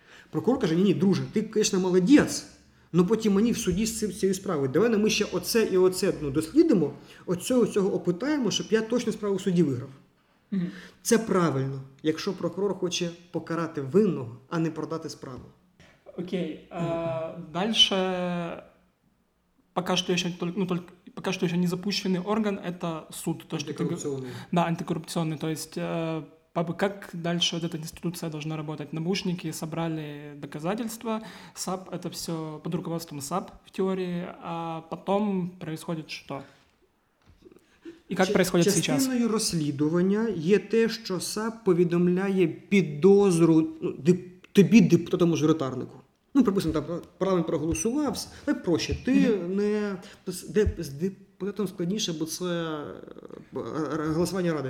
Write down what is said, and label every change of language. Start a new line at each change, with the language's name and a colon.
Ukrainian: Прокурор каже, ні, друже, ти, звісно, молодець, але потім мені в суді з цією справою. Давай ми ще оце і оце дослідимо, оцього опитаємо, щоб я точно справу в суді виграв. Це правильно, якщо прокурор хоче покарати винного, а не продати справу.
Russian: Окей, дальше пока что еще не запущенный орган это суд, то что антикоррупционный. Да, антикоррупционный. То есть как дальше вот эта институция должна работать? Набушники собрали доказательства, САП это все под руководством САП в теории, а потом происходит что?
Ukrainian: І як
Russian: происходит сейчас?
Ukrainian: Частиною розслідування є те, що САП повідомляє підозру, тобі депутату-мажоритарнику. Ну, припустимо, там правильно проголосував, але проще. Ти не з депутатом складніше, бо це голосування ради.